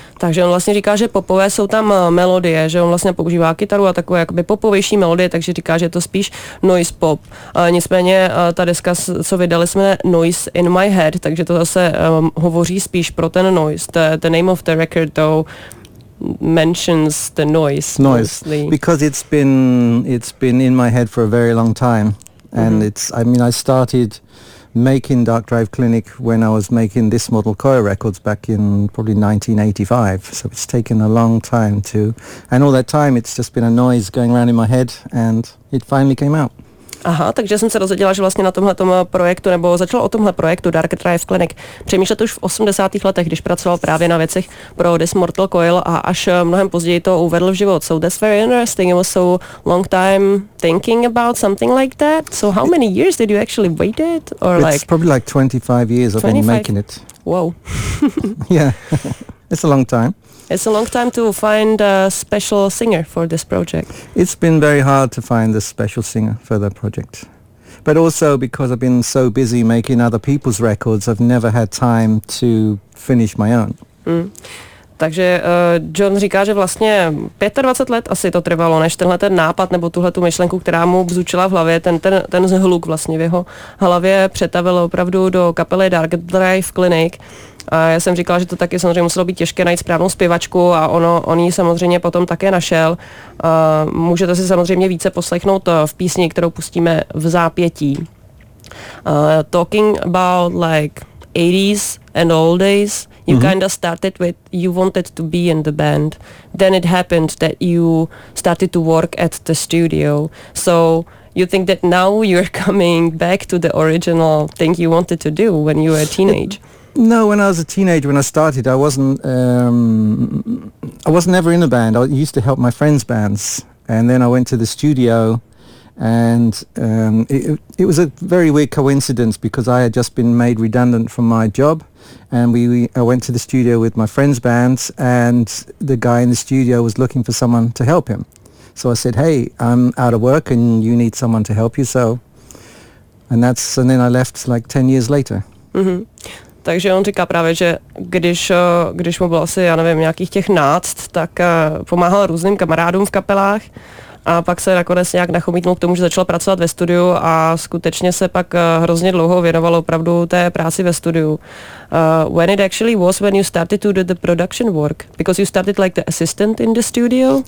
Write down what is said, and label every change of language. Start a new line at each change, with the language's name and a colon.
Czech: Takže on vlastně říká, že popové jsou tam melodie, že on vlastně používá kytaru a takové jakoby popovější melodie, takže říká, že je to spíš noise pop. Nicméně ta deska, co vydali, jsme Noise in My Head, takže to zase hovoří spíš pro ten noise.
English: The name of the record though mentions the noise. Noise, mostly. Because it's been in my head for a very long time, and I started making Dark Drive Clinic when I was making This Mortal Coil records back in probably 1985. So it's taken a long time to, and all that time it's just been a noise going around in my head, and it finally came out.
Czech: Aha, takže jsem se dozvěděla, že vlastně na tomhletom projektu, nebo začal o tomhle projektu Dark Drive Clinic přemýšlet už v 80. letech, když pracoval právě na věcech pro This Mortal Coil, a až mnohem později to uvedl v život.
English: So that's very interesting. It was so long time thinking about something like that. So how many years did you actually wait it? Or it's like probably like 25 years I've been making it. Wow. Yeah, it's a long time. It's a long time to find a special singer for this project. It's been very hard to find a special singer for the project. But also because I've been so busy making other people's records, I've never had time to finish my own.
Czech: Takže John říká, že vlastně 25 let asi to trvalo, než tenhle ten nápad nebo tuhle tu myšlenku, která mu bzučila v hlavě, ten zhluk vlastně v jeho hlavě přetavil opravdu do kapely Dark Drive Clinic. A já jsem říkala, že to taky samozřejmě muselo být těžké najít správnou zpěvačku, a on ji samozřejmě potom také našel. Můžete si samozřejmě více poslechnout v písni, kterou pustíme v zápětí.
English: Talking about like 80s and old days, you kind of started with, you wanted to be in the band. Then it happened that you started to work at the studio. So you think that now you're coming back to the original thing you wanted to do when you were a teenager? No, when I was a teenager, when I started, I wasn't ever in a band. I used to help my friends' bands, and then I went to the studio, and it was a very weird coincidence because I had just been made redundant from my job, and I went to the studio with my friends' bands, and the guy in the studio was looking for someone to help him. So I said, "Hey, I'm out of work, and you need someone to help you." And then I left like 10 years later.
Czech: Takže on říká právě, že když mu bylo asi, já nevím, nějakých těch náct, tak pomáhal různým kamarádům v kapelách, a pak se nakonec nějak nachomítnul k tomu, že začal pracovat ve studiu, a skutečně se pak hrozně dlouho věnoval opravdu té práci ve studiu.
English: When it actually was when you started to do the production work? Because you started like the assistant in the studio?